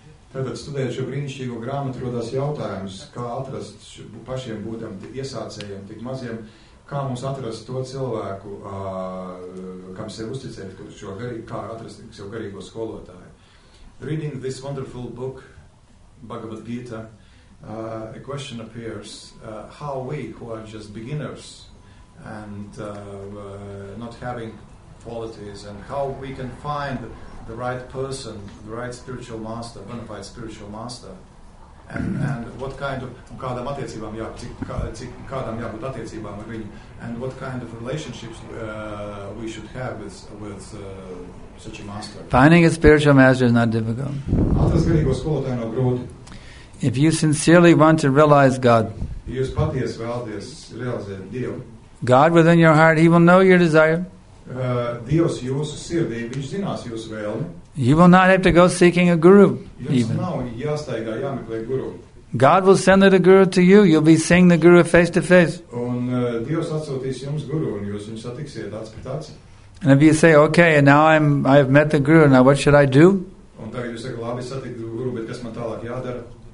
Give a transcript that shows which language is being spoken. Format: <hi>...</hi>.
<lv>Tātad studējot šo brīnišķīgo grāmatu, rodas jautājums, kā atrast pašiem būtam iesācējiem, tik maziem, kā mums atrast to cilvēku, kam sev uzticēt, šo garīgu, kā atrast sev garīgo skolotāju.</lv> <en>Reading this wonderful book, Bhagavad Gita, a question appears, how we, who are just beginners, and not having qualities, and how we can find the right person, the right spiritual master, bona fide spiritual master, and what kind of</en> <lv>kādam attiecībām kādam jābūt attiecībām ar viņu,</lv> <en>and what kind of relationships we should have with such a master. Finding a spiritual master is not difficult.</en> <lv>Atrast garīgo skolotāju nav grūti.</lv> <en>If you sincerely want to realize God,</en> <lv>jūs patiesi vēlaties realizēt Dievu,</lv> <en>God within your heart, he will know your desire.</en> <lv>Dievs jūsu sirdī, viņš zinās jūsu vēlmi.</lv> <en>You will not have to go seeking a guru.</en> <lv>Jums nav jāstaigā, jāmeklē guru.</lv> <en>God will send a guru to you. You'll be seeing the guru face to face.</en> <lv>Un Dievs atsūtīs jums guru, un jūs viņu satiksiet acu pret acu.</lv> <en>And if you say, okay, and now I've met the guru, now what should I do?</en> <lv>Un tagad jūs sakat, labi, satiktu guru, bet kas man tālāk jādara?</lv>